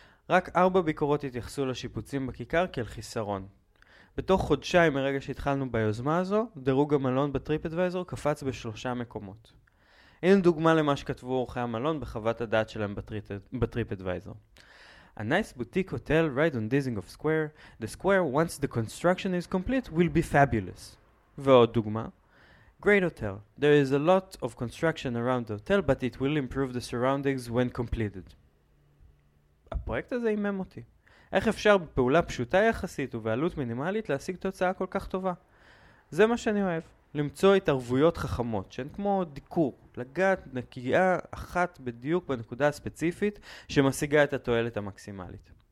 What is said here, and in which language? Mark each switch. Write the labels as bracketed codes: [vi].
[he] רק 4 ביקורות התייחסו לשיפוצים בכיכר כאל חיסרון. בתוך חודשיים מרגע שהתחלנו ביוזמה הזו, דירוג המלון בטריפ אדוויזור קפץ ב3 מקומות. הנה דוגמה למה שכתבו אורחי המלון בחוות הדעת שלהם בטריפ אדוויזור. [en] A nice boutique hotel right on Dizengoff Square. The square, once the construction is complete, will be fabulous. [he] ועוד דוגמה. [en] Great hotel. There is a lot of construction around the hotel, but it will improve the surroundings when completed. [he] הפרויקט הזה אימם אותי. איך אפשר בפעולה פשוטה יחסית ובעלות מינימלית להשיג תוצאה כל כך טובה? זה מה שאני אוהב. למצוא התערבויות חכמות, שהן כמו דיקור, לגעת נקייה אחת בדיוק בנקודה הספציפית שמשיגה את התועלת המקסימלית.